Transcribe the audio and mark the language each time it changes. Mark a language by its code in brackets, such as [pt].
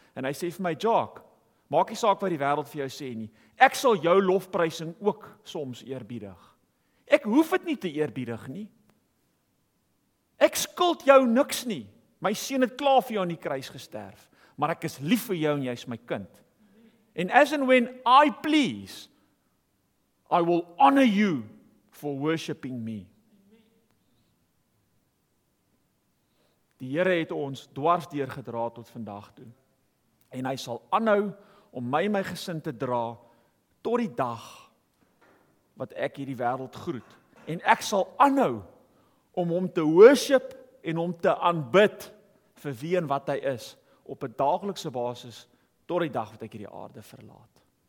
[af] En hy sê vir my, Jacques, maak nie saak wat die wêreld vir jou sê nie, ek sal jou lofprysing ook soms eerbiedig. Ek hoef dit nie te eerbiedig nie. Ek skuld jou niks nie. My seun het klaar vir jou aan die kruis gesterf, maar ek is lief vir jou en jy is my kind. [en] And as and when I please, I will honor you for worshiping me. [af] Die Here het ons dwars deurgedra tot vandag toe. En hy sal aanhou om my en my gesin te dra tot die dag wat ek hierdie wêreld groet. En ek sal aanhou om hom te worship en hom te aanbid vir wie en wat hy is op 'n daaglikse basis tot die dag wat ek hierdie aarde verlaat.